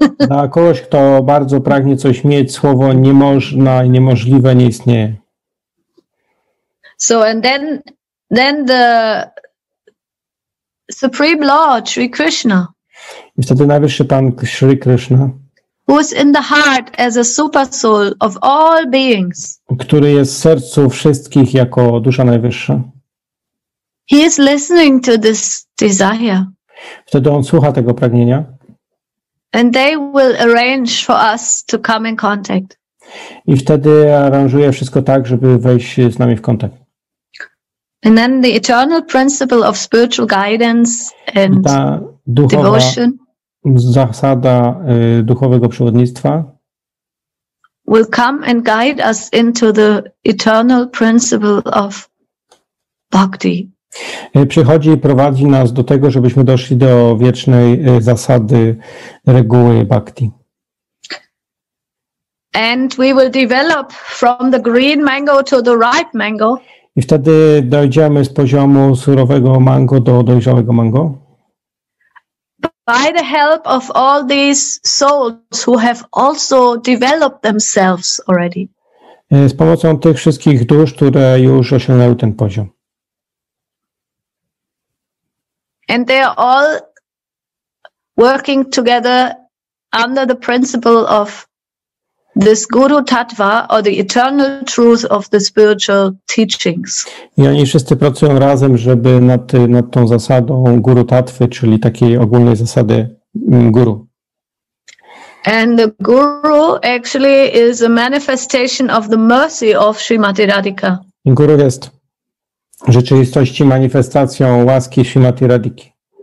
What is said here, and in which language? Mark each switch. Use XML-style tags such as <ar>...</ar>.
<pl>Dla kogoś, kto bardzo pragnie coś mieć, słowo niemożna i niemożliwe nie istnieje.</pl> <en>So and then the supreme lord Sri Krishna.</en> <pl>I wtedy najwyższy pan Sri Krishna.</pl> <en>Who is in the heart as a super soul of all beings.</en> <pl>Który jest w sercu wszystkich jako dusza najwyższa.</pl> <en>He is listening to this desire.</en> <pl>Wtedy on słucha tego pragnienia.</pl> <en>And they will arrange for us to come in contact.</en> <pl>I wtedy aranżuje wszystko tak, żeby wejść z nami w kontakt.</pl> <en>And then the eternal principle of spiritual guidance and</en> <pl>ta duchowa</pl> <en>devotion.</en> <pl>Zasada duchowego przewodnictwa.</pl> <en>Will come and guide us into the eternal principle of bhakti.</en> <pl>Przychodzi i prowadzi nas do tego, żebyśmy doszli do wiecznej zasady, reguły bhakti.</pl> <en>And we will develop from the green mango to the ripe mango.</en> <pl>I wtedy dojdziemy z poziomu surowego mango do dojrzałego mango.</pl> <en>By the help of all these souls who have also developed themselves already.</en> <pl>Z pomocą tych wszystkich dusz, które już osiągnęły ten poziom.</pl> <en>And they are all working together under the principle of this guru tattva or the eternal truth of the spiritual teachings.</en> <pl>I oni wszyscy pracują razem, żeby nad tą zasadą guru tattwy, czyli takiej ogólnej zasady guru.</pl> <en>And the guru actually is a manifestation of the mercy of Srimati Radhika.</en> <pl>Guru jest w rzeczywistości manifestacją łaski Srimati Radhiki.</pl>